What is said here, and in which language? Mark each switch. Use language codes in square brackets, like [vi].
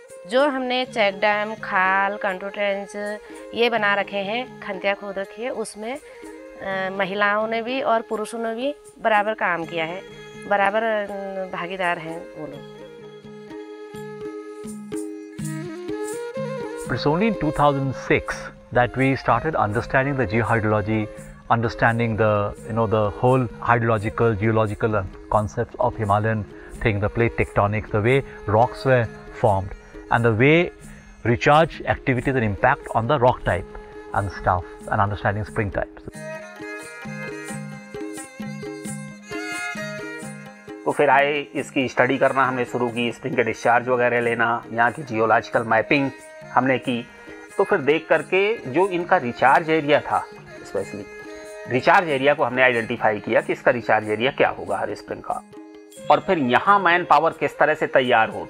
[hi] जो हमने check dam, खाल, कंट्रोल ट्रेंच ये बना रखे हैं, खंतिया खोद रखी है, उसमें महिलाओं ने भी और पुरुषों ने भी बराबर काम किया है, बराबर भागीदार हैं वो लोग। [en] It was only in 2006 that we started understanding the geohydrology, understanding the, you know, the whole hydrological, geological concepts of Himalayan thing, the plate tectonics, the way rocks were formed, and the way recharge activities and impact on the rock type and stuff, and understanding spring types. [hi] तो फिर आए इसकी study करना हमने शुरू की, spring के discharge वगैरह लेना, यहाँ की जियोलॉजिकल मैपिंग हमने की। तो फिर देख करके जो इनका रिचार्ज एरिया था, स्पेशली रिचार्ज एरिया को हमने आइडेंटिफाई किया कि इसका रिचार्ज एरिया क्या होगा हर स्प्रिंग का, और फिर यहाँ मैन पावर किस तरह से तैयार हो।